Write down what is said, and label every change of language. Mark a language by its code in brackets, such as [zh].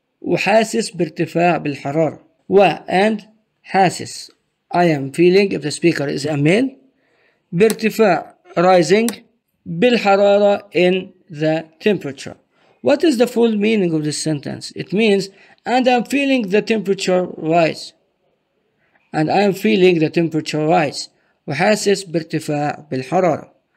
[ar] وحاسس بارتفاع بالحرارة. و [en] and [ar] حاسس. [en] I am feeling if the speaker is a male. [ar] بارتفاع [en] rising [ar] بالحرارة [en] in the temperature. What is the full meaning of this sentence? It means, and I'm feeling the temperature rise. And I'm feeling the temperature rise. [ar] وحاسس بارتفاع بالحرارة.